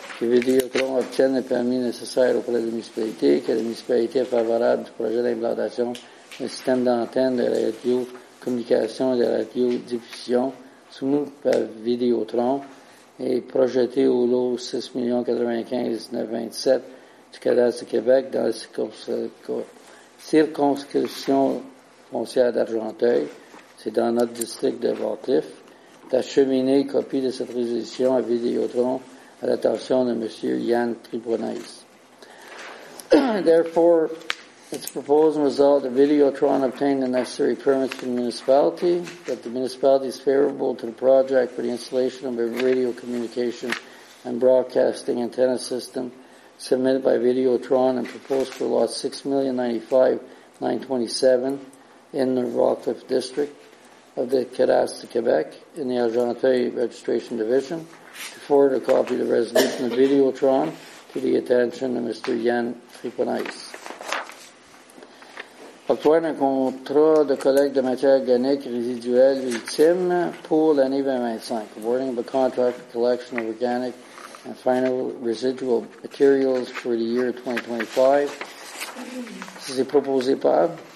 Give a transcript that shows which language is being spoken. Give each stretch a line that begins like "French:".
French: Que Vidéotron obtienne le permis nécessaire auprès de la municipalité, que la municipalité est favorable du projet d'implantation d'un système d'antenne de radio-communication et de radio-diffusion soumis par Vidéotron et projeté au lot 6,095,927 du Cadastre du Québec dans la circonscription foncière d'Argenteuil. C'est dans notre district de Rockcliffe. D'acheminer copie de cette résolution à Vidéotron à l'attention de M. Yann Tribonais.
English: Therefore, it's proposed and resolved that Vidéotron obtain the necessary permits from the municipality, that the municipality is favorable to the project for the installation of a radio communication and broadcasting antenna system submitted by Vidéotron and proposed for lot 6,095,927 in the Rockcliffe District of the Cadastre de Québec in the Argenteuil Registration Division to forward a copy of the resolution of Vidéotron to the attention of Mr. Yann Tribonais.
French: Octroyer un contrat de collecte de matières organiques résiduelles ultimes pour l'année 2025.
English: Awarding of a contract for collection of organic and final residual materials for the year 2025.
French: C'est proposé par?